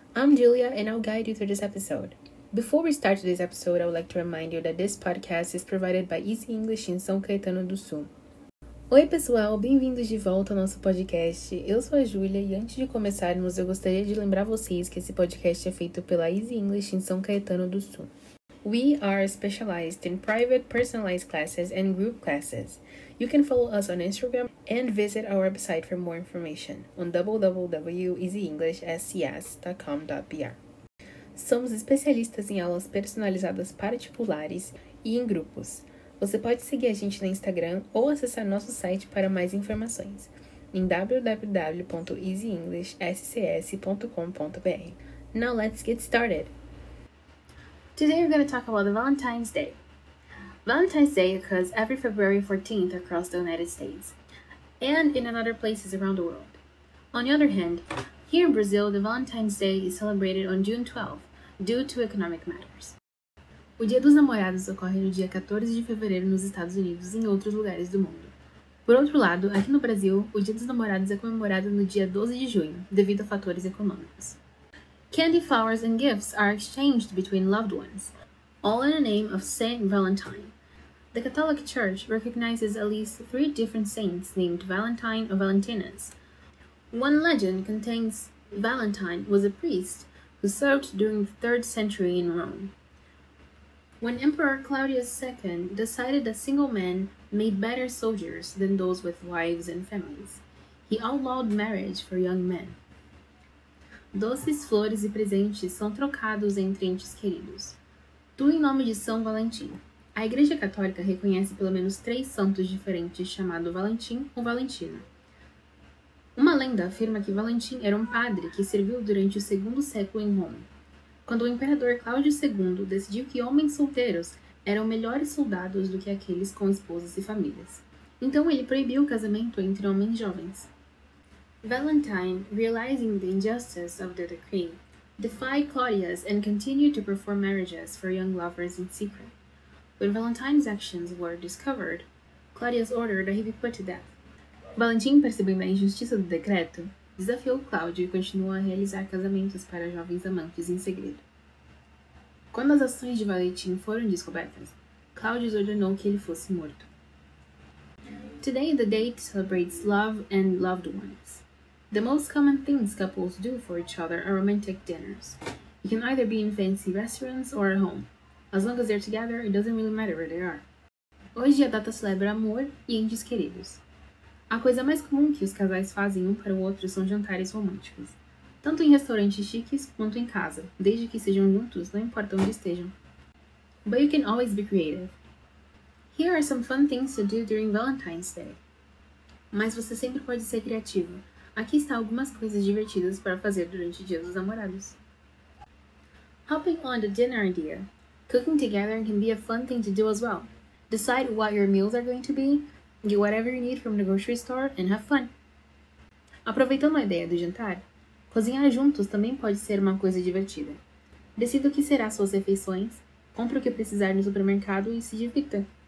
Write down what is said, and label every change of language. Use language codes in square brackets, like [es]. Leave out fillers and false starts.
[en] I'm Julia and I'll guide you through this episode. Before we start today's episode, I would like to remind you that this podcast is provided by Easy English in São Caetano do Sul. [pt] Oi pessoal, bem-vindos de volta ao nosso podcast. Eu sou a Julia e antes de começarmos, eu gostaria de lembrar vocês que esse podcast é feito pela Easy English em São Caetano do Sul. [en] We are specialized in private personalized classes and group classes. You can follow us on Instagram and visit our website for more information on www.easyenglishscs.com.br. [pt] Somos especialistas em aulas personalizadas particulares e em grupos. Você pode seguir a gente no Instagram ou acessar nosso site para mais informações em www.easyenglishscs.com.br. [en] Now let's get started! Today we're going to talk about the Valentine's Day. Valentine's Day occurs every February 14th across the United States and in other places around the world. On the other hand, here in Brazil, the Valentine's Day is celebrated on June 12th due to economic matters. [pt] O Dia dos Namorados ocorre no dia 14 de fevereiro nos Estados Unidos e em outros lugares do mundo. Por outro lado, aqui no Brasil, o Dia dos Namorados é comemorado no dia 12 de junho, devido a fatores econômicos. [en] Candy, flowers, and gifts are exchanged between loved ones, all in the name of Saint Valentine. The Catholic Church recognizes at least three different saints named Valentine or Valentinus. One legend contains Valentine was a priest who served during the 3rd century in Rome. When Emperor Claudius II decided that single men made better soldiers than those with wives and families, he outlawed marriage for young men. [pt] Doces, flores e presentes são trocados entre entes queridos. Tudo em nome de São Valentim. A Igreja Católica reconhece pelo menos três santos diferentes chamados Valentim ou Valentina. Uma lenda afirma que Valentim era um padre que serviu durante o segundo século em Roma, quando o imperador Cláudio II decidiu que homens solteiros eram melhores soldados do que aqueles com esposas e famílias. Então ele proibiu o casamento entre homens jovens. [en] Valentine, realizing the injustice of the decree, defied Claudius and continued to perform marriages for young lovers in secret. When Valentine's actions were discovered, Claudius ordered that he be put to death. [pt] Valentim, percebendo a injustiça do decreto, desafiou Cláudio e continuou a realizar casamentos para jovens amantes em segredo. Quando as ações de Valentim foram descobertas, Cláudio ordenou que ele fosse morto. [en] Today, the date celebrates love and loved ones. The most common things couples do for each other are romantic dinners. You can either be in fancy restaurants or at home. As long as they're together, it doesn't really matter where they are. [pt] Hoje, a data celebra amor e entes queridos. A coisa mais comum que os casais fazem um para o outro são jantares românticos, tanto em restaurantes chiques quanto em casa, desde que sejam juntos, não importa onde estejam. [en] But you can always be creative. Here are some fun things to do during Valentine's Day. [pt] Mas você sempre pode ser criativo. Aqui está algumas coisas divertidas para fazer durante o Dia dos Namorados. [en] Hopping on the dinner idea. Cooking together can be a fun thing to do as well. Decide what your meals are going to be, get whatever you need from the grocery store, and have fun. [pt] Aproveitando a ideia do jantar, cozinhar juntos também pode ser uma coisa divertida. Decida o que será suas refeições, compre o que precisar no supermercado e se divirta.